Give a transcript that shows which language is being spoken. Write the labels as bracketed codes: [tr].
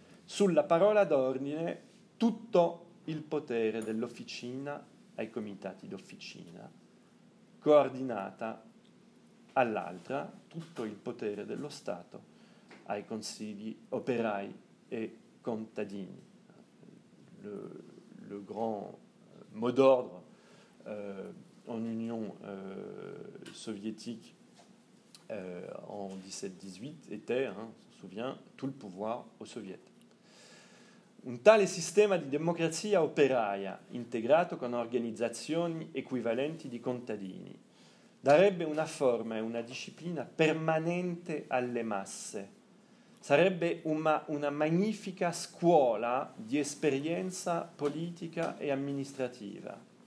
[it] Sulla parola d'ordine, tutto il potere dell'officina ai comitati d'officina, coordinata all'altra, tutto il potere dello Stato ai consigli operai e contadini. [fr] Le grand mot d'ordre en Union soviétique en 17-18 était, hein, on se souvient, tout le pouvoir aux soviets. [it] Un tale sistema di democrazia operaia, integrato con organizzazioni equivalenti di contadini, darebbe una forma e una disciplina permanente alle masse. Sarebbe una magnifica scuola di esperienza politica e amministrativa.